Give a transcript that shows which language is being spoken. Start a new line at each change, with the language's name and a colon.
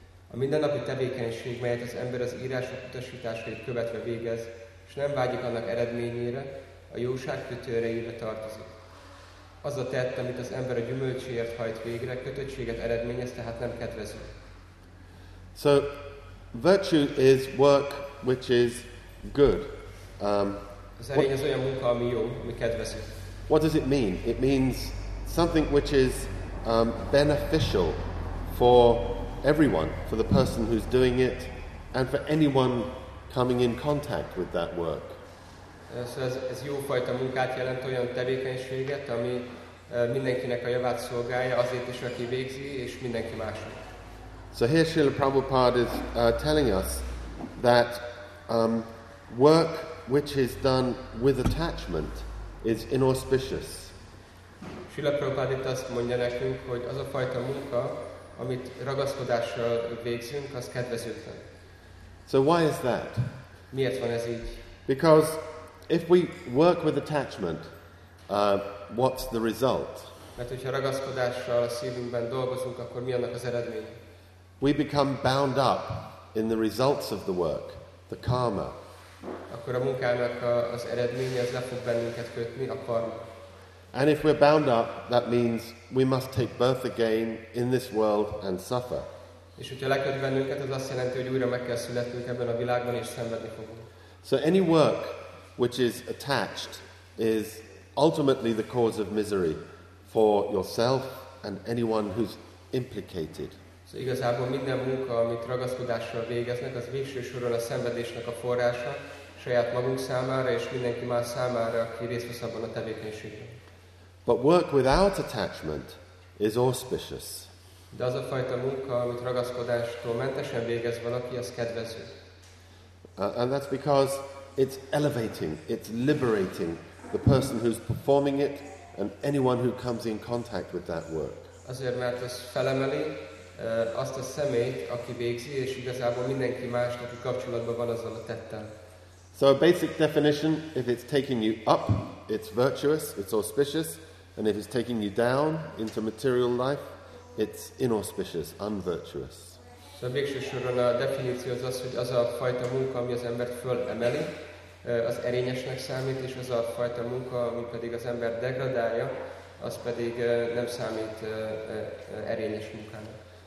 Hungarian: A mindennapi tevékenység, melyet az ember az írások utasításait követve végez, és nem vágyik annak eredményére, a jóság kötőereibe tartozik. Az a tett, amit az ember a gyümölcséért hajt végre, kötöttséget eredményez, tehát nem kedvező.
English: So, virtue is work which is good.
Hungarian: Az erény az olyan munka, ami jó, ami kedvező.
English: What does it mean? It means something which is beneficial for everyone, for the person who's doing it, and for anyone coming in contact with that work.
Hungarian: So ez jó fajta munkát jelent, olyan tevékenységet, ami mindenkinek a javát szolgálja, azért is, aki végzi, és mindenki másnak.
English: So here Srila Prabhupada is telling us that work which is done with attachment is inauspicious.
Hungarian: Srila Prabhupada itt azt mondja nekünk, hogy az a fajta munka, amit ragaszkodással végzünk, az kedvezőtlen.
English: So why is that?
Hungarian: Miért van ez így?
English: Because if we work with attachment, what's the result?
Hungarian: Mert hogyha ragaszkodással a szívünkben dolgozunk, akkor mi annak az eredmény?
English: We become bound up in the results of the work, the karma.
Hungarian: Akkor a munkának az eredménye az le fog bennünket kötni, a karma.
English: And if we're bound up, that means we must take birth again in this world and suffer.
Hungarian: És hogyha leköt bennünket, az azt jelenti, hogy újra meg kell születnünk ebben a világban, és szenvedni fogunk.
English: So any work which is attached is ultimately the cause of misery for yourself and anyone who's implicated.
Hungarian: So igazából minden munka, amit ragaszkodással végeznek, az végső soron a szenvedésnek a forrása, saját magunk számára és mindenki más számára, aki részt vesz abban a tevékenységben.
English: But work without attachment is auspicious.
Hungarian: De az a fajta munka, amit ragaszkodástól mentesen végez valaki, az kedvező.
English: And that's because it's elevating, it's liberating the person who's performing it and anyone who comes in contact with that work.
Hungarian: Azért, mert az felemeli azt a személyt, aki végzi, és igazából mindenki más, aki kapcsolatban van azzal a tettel.
English: So a basic definition, if it's taking you up, it's virtuous, it's auspicious. And if it's taking you down into material life, it's inauspicious, unvirtuous.
Hungarian: So a végső soron a definíció az, hogy az a fajta munka, ami az embert fölemeli, az erényesnek számít, és az a fajta munka, ami pedig az ember degradálja, az pedig nem számít erényes munkának.